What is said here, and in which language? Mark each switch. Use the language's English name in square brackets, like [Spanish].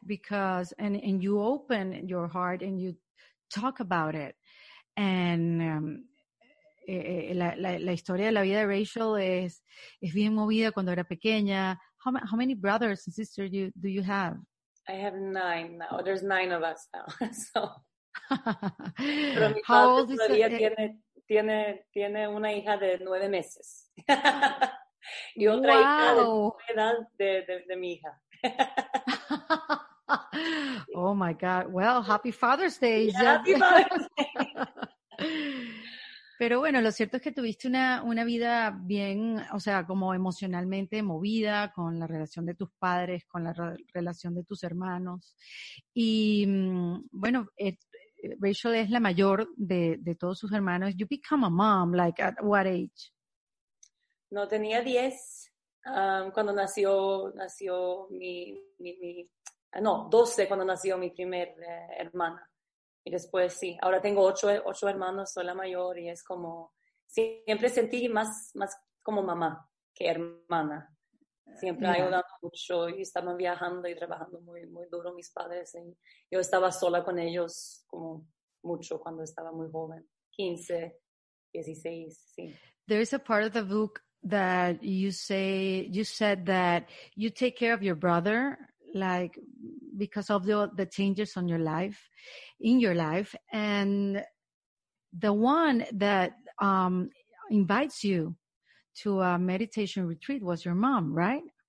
[English] Because, and you open your heart and you talk about it. And [Spanish] la historia de la vida de Rachel es bien movida cuando era pequeña. [English] How many brothers and sisters do you have? I have 9 now. There's 9 of us now. So [Spanish] Pero mi padre todavía tiene una hija de 9 meses. Y otra hija de la edad de mi hija. [English] Oh my God. Well, happy Father's Day. Happy Father's Day. [Spanish] Pero bueno, lo cierto es que tuviste una vida bien, o sea, como emocionalmente movida con la relación de tus padres, con la relación de tus hermanos. Y bueno, Rachel es la mayor de todos sus hermanos. [English] You become a mom, like at what age? [Spanish] No, tenía 10 cuando nació mi no, 12 cuando nació mi primer hermana. Y después, sí, ahora tengo 8 hermanos, soy la mayor, y es como, siempre sentí más como mamá que hermana. Siempre ayudando mucho, y estaban viajando y trabajando muy, muy duro mis padres. Y yo estaba sola con ellos como mucho cuando estaba muy joven, 15, 16, sí. [English] There is a part of the book that you said that you take care of your brother, like because of the changes on your life, in your life, and the one that invites you to a meditation retreat was your mom, right?